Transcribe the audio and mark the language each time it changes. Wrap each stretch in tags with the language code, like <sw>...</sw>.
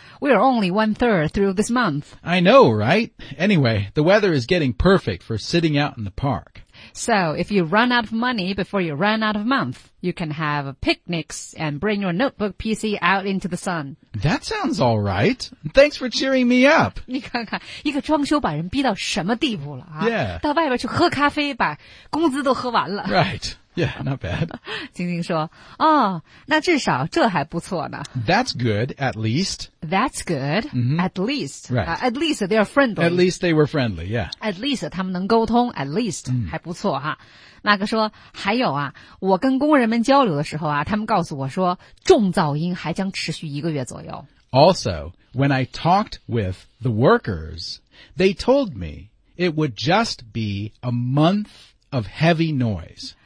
<en>We are only one third through this month. I know, right? Anyway, the weather is getting perfect for sitting out in the park. So, if you run out of money before you run out of month, you can have picnics and bring your notebook PC out into the sun. That sounds all right. Thanks for cheering me up.</en> <zh>你看看，一个装修把人逼到什么地步了啊？</zh> <en>Yeah.</en> <zh>到外边去喝咖啡，把工资都喝完了。</zh> <en>Right. Yeah, not bad.</en> <zh>晶晶说，哦，那至少这还不错呢。</zh> <en>That's good, at least. That's good,、 mm-hmm. at least. Right.、 At least they are friendly. At least they were friendly, yeah. At least</en> <zh>他们能沟通</zh> <en>at least,、 mm.</en> <zh>还不错哈。那个说，还有啊，我跟工人们交流的时候啊，他们告诉我说，重噪音还将持续一个月左右。</zh> <en>Also, when I talked with the workers, they told me it would just be a month of heavy noise.</en>